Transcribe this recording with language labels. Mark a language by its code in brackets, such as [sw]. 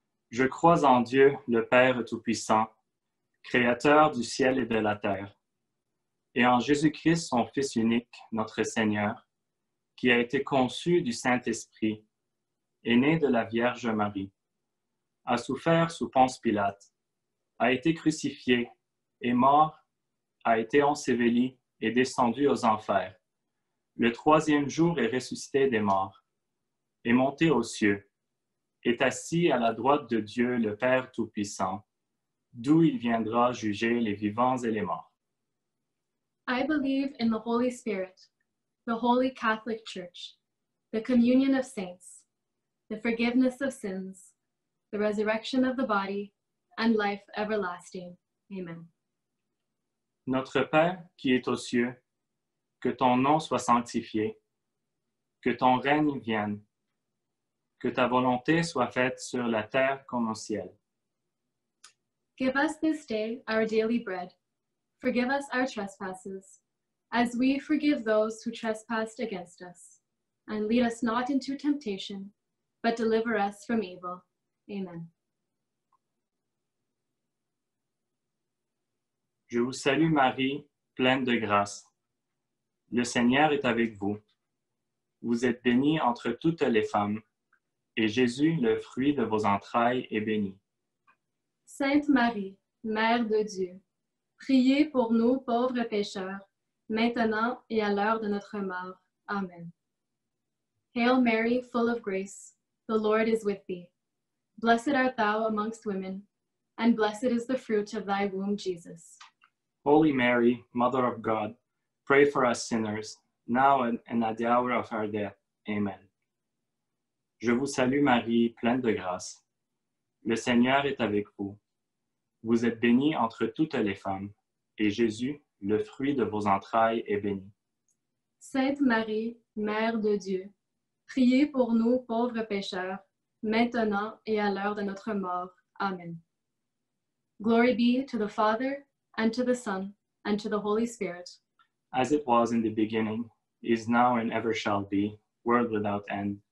[fr] Je crois en Dieu, le Père Tout-Puissant, Créateur du ciel et de la terre, et en Jésus-Christ, son Fils unique, notre Seigneur, qui a été conçu du Saint-Esprit, est né de la Vierge Marie, a souffert sous Ponce Pilate, a été crucifié et mort, a été enseveli et descendu aux enfers. Le troisième jour est ressuscité des morts, est monté aux cieux, est assis à la droite de Dieu, le Père Tout-Puissant, d'où il viendra juger les vivants et les morts. [en] I believe in the Holy Spirit, the Holy Catholic Church, the communion of saints, the forgiveness of sins, the resurrection of the body, and life everlasting. Amen. [fr] Notre Père, qui est aux cieux, que ton nom soit sanctifié, que ton règne vienne, que ta volonté soit faite sur la terre comme au ciel. [en] Give us this day our daily bread. Forgive us our trespasses, as we forgive those who trespassed against us. And lead us not into temptation, but deliver us from evil. Amen. [fr] Je vous salue, Marie, pleine de grâce. Le Seigneur est avec vous. Vous êtes bénie entre toutes les femmes, et Jésus, le fruit de vos entrailles, est béni. Sainte Marie, Mère de Dieu, priez pour nous, pauvres pécheurs, maintenant et à l'heure de notre mort. Amen. [en] Hail Mary, full of grace, the Lord is with thee. Blessed art thou amongst women, and blessed is the fruit of thy womb, Jesus. Holy Mary, Mother of God, pray for us sinners, now and at the hour of our death. [fr] Amen. Je vous salue, Marie, pleine de grâce. Le Seigneur est avec vous. Vous êtes bénie entre toutes les femmes, et Jésus, le fruit de vos entrailles, est béni. Sainte Marie, Mère de Dieu, Priez pour nous, pauvres pécheurs, maintenant et à l'heure de notre mort. Amen. [en] Glory be to the Father, and to the Son, and to the Holy Spirit. As it was in the beginning, is now and ever shall be, world without end.